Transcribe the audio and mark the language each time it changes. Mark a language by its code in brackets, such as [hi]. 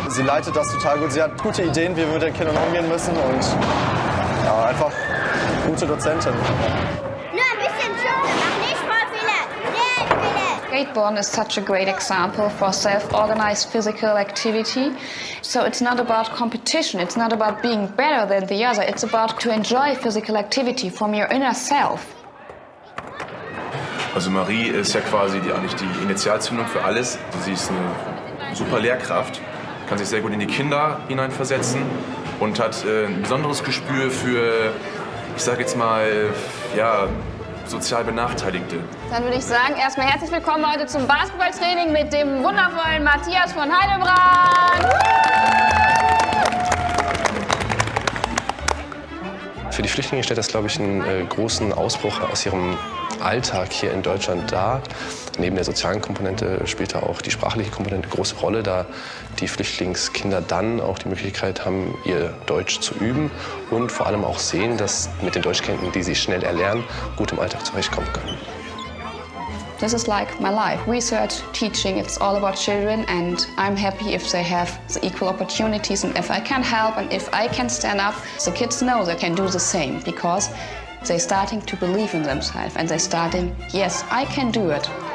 [de] Sie leitet das total gut. Sie hat gute Ideen, wie wir mit den Kindern umgehen müssen und ja, einfach gute Dozentin. Nur ein bisschen Schuh, mach nicht voll viele, sehr viele. [en] Skateboarding is such a great example for self-organized physical activity. So it's not about competition, it's not about being better than the other. It's about to enjoy physical activity from your inner self. [de] Also Marie ist ja quasi eigentlich die Initialzündung für alles. Sie ist eine super Lehrkraft, kann sich sehr gut in die Kinder hineinversetzen und hat ein besonderes Gespür für, ich sag jetzt mal, ja, sozial Benachteiligte. Dann würde ich sagen, erstmal herzlich willkommen heute zum Basketballtraining mit dem wundervollen Matthias von Heidelbrand. Für die Flüchtlinge stellt das, glaube ich, einen großen Ausbruch aus ihrem Alltag hier in Deutschland da. Neben der sozialen Komponente spielt da auch die sprachliche Komponente eine große Rolle, da die Flüchtlingskinder dann auch die Möglichkeit haben, ihr Deutsch zu üben und vor allem auch sehen, dass mit den Deutschkenntnissen, die sie schnell erlernen, gut im Alltag zurechtkommen können. [en] This is like my life. Research, teaching, it's all about children and I'm happy if they have the equal opportunities and if I can help and if I can stand up, the kids know they can do the same because they're starting to believe in themselves and they're starting, yes, I can do it.